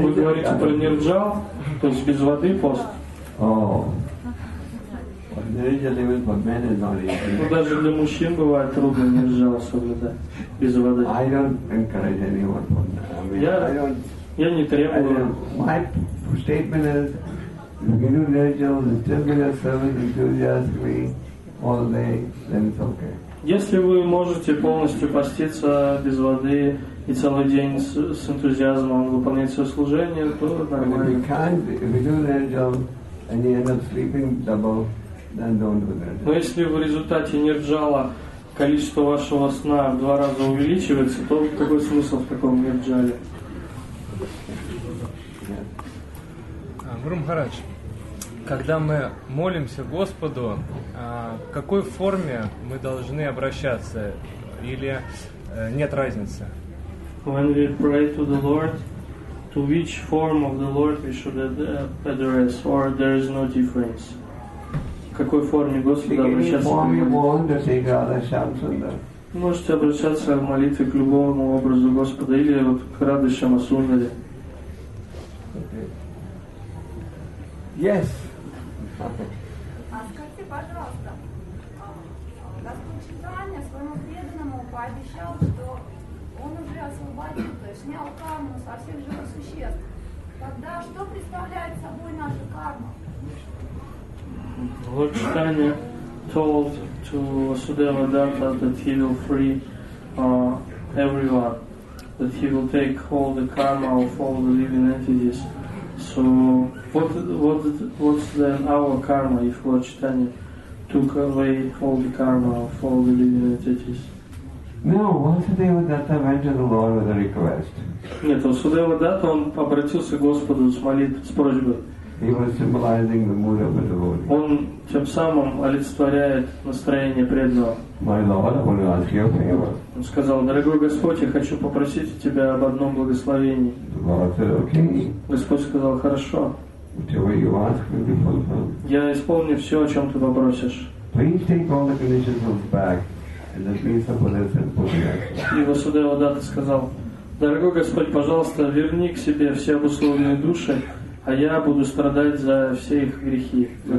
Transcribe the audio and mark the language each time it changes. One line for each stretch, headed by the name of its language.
Russian: Вы говорите про Nirjal, то есть без воды пост?
English: Oh. Nirjal even for men is not easy.
Russian: Ну даже для мужчин бывает трудно Nirjal соблюдать без воды.
English: I don't encourage anyone for that.
Russian: Я не требую.
English: My statement is, if you do Nirjal, still give your service enthusiastically all day, then it's okay.
Russian: Если вы можете полностью поститься без воды и целый день с энтузиазмом выполнять свое служение, то нормально.
English: If you do Nirjal and you end up sleeping double, then don't do Nirjal.
Russian: Но если в результате Нирджала количество вашего сна в два раза увеличивается, то какой смысл в таком Нирджале? Гуру Махарадж, когда мы молимся Господу, в какой форме мы должны обращаться, или нет разницы?
English: When we pray to the Lord, to which form of the Lord we should address, or there is no difference?
Russian: В какой форме Господа обращаться? Вы можете обращаться в молитве к любому образу Господа, или вот к Радхе Шамасундаре.
English: Yes.
Russian: А скажите, пожалуйста, Господь Чайтанья своему преданному пообещал, что он уже освободил, то есть снял карму со всех же. Тогда что представляет собой наша карма?
English: Lord Chaitanya told to Vasudeva Datta that he will free everyone, that he will take all the karma of all the living entities. So what's then our karma if Lord Chaitanya took away all the karma of all the living entities? No, Vasudeva Datta went to the Lord with a request.
Russian: Нет, Vasudeva Datta, он обратился к Господу с молитвой, с просьбой.
English: He was symbolizing the mood of the devotee.
Russian: Он тем самым олицетворяет настроение преданного.
English: My Lord, I want to ask you a favor.
Russian: Он сказал: «Дорогой Господь, я хочу попросить у тебя об одном благословении».
English: Lord said, okay.
Russian: Господь сказал: «Хорошо.
English: Whatever you ask, will be fulfilled.
Russian: Я исполню все, о чем ты попросишь».
English: Please take all the conditions back and let me support this enthusiasm.
Russian: И Васудева Датта сказал: «Дорогой Господь, пожалуйста, верни к себе все обусловленные души, а я буду страдать за все их грехи».